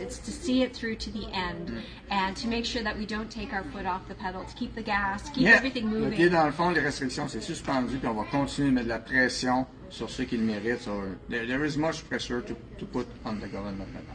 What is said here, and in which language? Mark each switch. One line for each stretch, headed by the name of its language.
English: It's to see it through to the end, and to make sure that we don't take our foot off the pedal. To keep the gas, keep everything moving.
French: Le pied dans le fond, les restrictions, c'est suspendu, puis on va continuer de mettre de la pression sur ceux qui le méritent.
English: So, there is much pressure to put on the government.